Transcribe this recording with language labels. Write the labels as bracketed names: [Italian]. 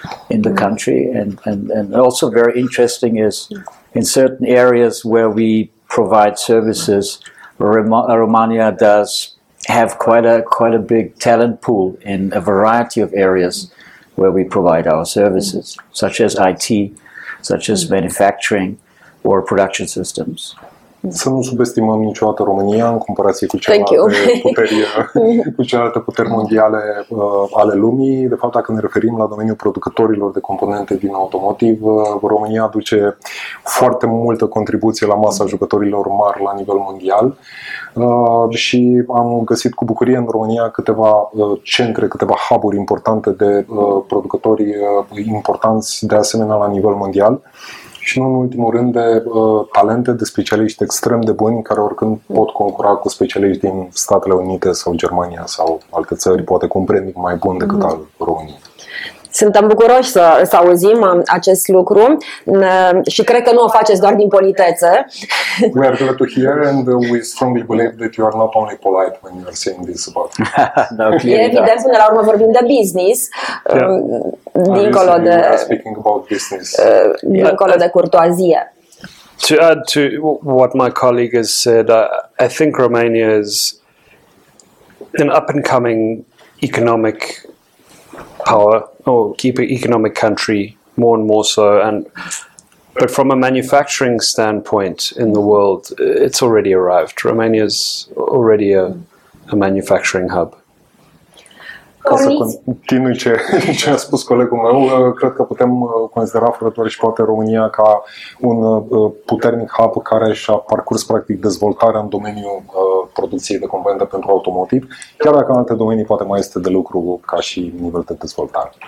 [English] in the country, and also very interesting is in certain areas where we provide services, Romania does have quite a big talent pool in a variety of areas where we provide our services, such as IT, such as manufacturing or production systems. [Romanian] Să nu subestimăm niciodată România în comparație cu celelalte puteri, cu celelalte puteri mondiale ale lumii. De fapt, dacă ne referim la domeniul producătorilor de componente din automotive, România aduce foarte multă contribuție la masa jucătorilor mari la nivel mondial. Și am găsit cu bucurie în România câteva centre, câteva hub-uri importante de producători importanți de asemenea la nivel mondial. Și nu în ultimul rând de talente, de specialiști extrem de buni care oricând pot concura cu specialiști din Statele Unite sau Germania sau alte țări, poate cu un premiu mai bun decât al României. Suntem bucuroși să auzim acest lucru și cred că nu o faceți doar din politețe. [English] We are glad to hear and we strongly believe that you are not only polite when you are saying this about me. No, clearly not. [Romanian] Evident, până la urmă vorbim de business, dincolo de, [English] speaking about business. [Romanian] Dincolo de curtoazie. [English] To add to what my colleague has said, I think Romania is an up-and-coming economic power or keep an economic country more and more so, and but from a manufacturing standpoint in the world, it's already arrived. Romania is already a manufacturing hub. [Romanian] Ca să continui ce a spus colegul meu, cred că putem considera fărător și poate România ca un puternic hub care și-a parcurs practic dezvoltarea în domeniul producției de componente pentru automotive, chiar dacă în alte domenii poate mai este de lucru ca și nivel de dezvoltare.